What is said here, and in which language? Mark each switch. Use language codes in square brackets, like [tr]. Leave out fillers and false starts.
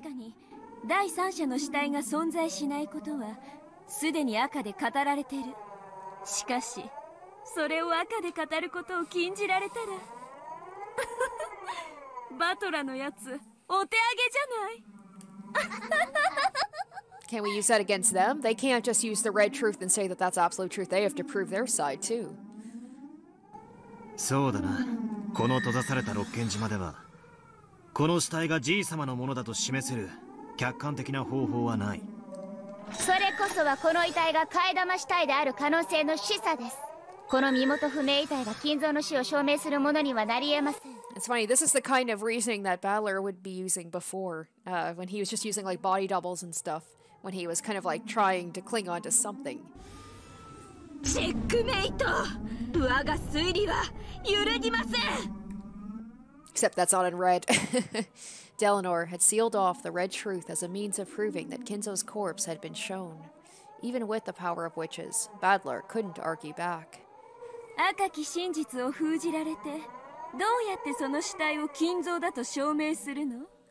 [ja] 確かに、第三者の死体が存在しないことは、すでに赤で語られてる。しかし、それを赤で語ることを禁じられたら、バトラのやつ、お手上げじゃない。 [en] Can we use that against them? They can't just use the red truth and say that that's absolute truth. They have to prove their side too. [ja] そうだな。この閉ざされた六軒島では、この死体がじい様のものだと示せる客観的な方法はない。それこそはこの遺体が替え玉死体である可能性の示唆です。この身元不明遺体が金蔵の死を証明するものにはなり得ません。 [en] It's funny, this is the kind of reasoning that Balor would be using before, when he was just using like body doubles and stuff, when he was kind of like trying to cling on to something. [ja] チェックメイト！我が推理は揺るぎません！ [en] Except that's not in red. Delanor had sealed off the red truth as a means of proving that Kinzo's corpse had been shown. Even with the power of witches, Balor couldn't argue back. [ja] 赤き真実を封じられて、どうやってその死体を金蔵だと証明するの？